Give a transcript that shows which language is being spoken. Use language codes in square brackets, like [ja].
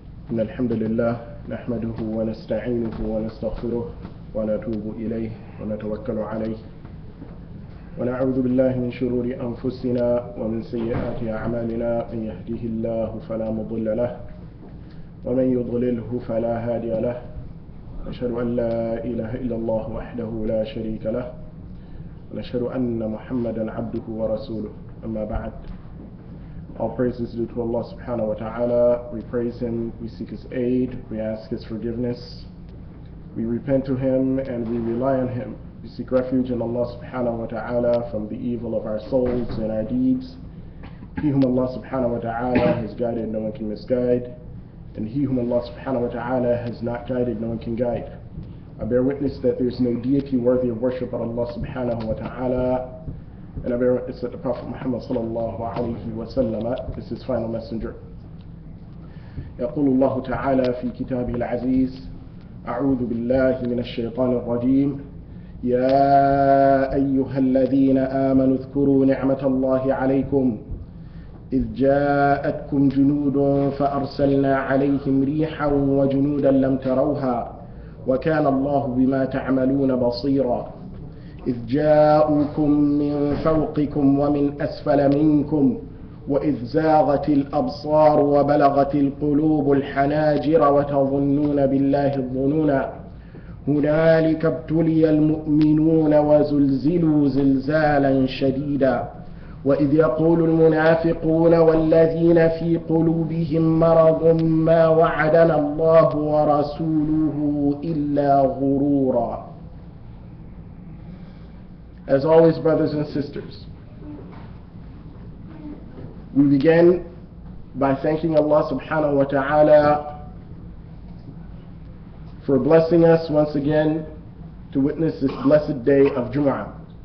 [ar] الحمد لله نحمده ونستعينه ونستغفره ونتوب إليه ونتوكل عليه ونعوذ بالله من شرور أنفسنا ومن سيئات أعمالنا من يهده الله فلا مضل له ومن يضلله فلا هادي له أشهد أن لا إله إلا الله وحده لا شريك له ونشهد أن محمدا عبده ورسوله أما بعد. [en] All praise is due to Allah subhanahu wa ta'ala. We praise Him, we seek His aid, we ask His forgiveness. We repent to Him and we rely on Him. We seek refuge in Allah subhanahu wa ta'ala from the evil of our souls and our deeds. He whom Allah subhanahu wa ta'ala has guided, no one can misguide. And he whom Allah subhanahu wa ta'ala has not guided, no one can guide. I bear witness that there is no deity worthy of worship but Allah subhanahu wa ta'ala. And I bear witness that the Prophet Muhammad sallallahu alayhi wa sallam is his final messenger. [ar] يقول الله تعالى في كتابه العزيز أعوذ بالله من الشيطان الرجيم يا أيها الذين آمنوا اذكروا نعمة الله عليكم إذ جاءتكم جنود فأرسلنا عليهم ريحا وجنودا لم تروها وكان الله بما تعملون بصيرا إذ جاءوكم من فوقكم ومن أسفل منكم وإذ زاغت الأبصار وبلغت القلوب الحناجر وتظنون بالله الظنونا هنالك ابتلي المؤمنون وزلزلوا زلزالا شديدا وإذ يقول المنافقون والذين في قلوبهم مرض ما وعدنا الله ورسوله إلا غرورا. [en] As always, brothers and sisters, we begin by thanking Allah subhanahu wa ta'ala for blessing us once again to witness this blessed day of Jumu'ah.